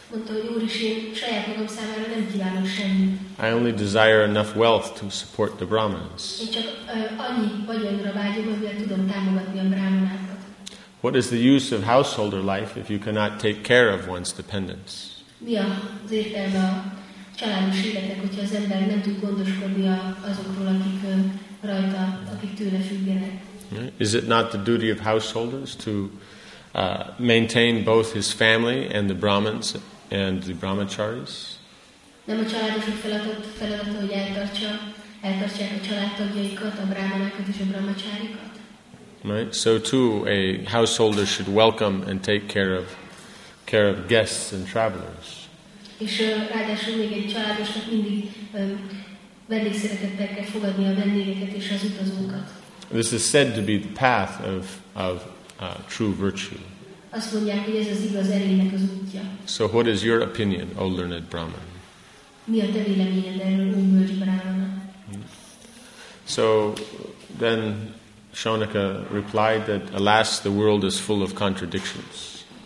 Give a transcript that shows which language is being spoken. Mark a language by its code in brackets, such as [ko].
[en] I only desire enough wealth to support the Brahmanas. What is the use of householder life if you cannot take care of one's dependents? [hu] Mi az értelme a családos életnek, hogyha az ember nem tud gondoskodni azokról, akik rajta, akik tőle függenek? [en] Is it not the duty of householders to maintain both his family and the Brahmins and the Brahmacharis? [hu] Nem a családosok feladata, hogy eltartsák a családtagjaikat, a Brahmanákat és a Brahmacharikat? [en] Right. So too, a householder should welcome and take care of guests and travelers. [hu] És ráadásul még egy családosnak mindig vendégszeretettel kell fogadni a vendégeket és az utazókat. [en] This is said to be the path of true virtue. [hu] Azt mondják, hogy ez az igaz erénynek az útja. [en] So what is your opinion, O learned Brahman? [hu] Mi a te véleményed erről, O bölcs Brahmana? [en] So then Shonaka replied that, alas, the world is full of contradictions.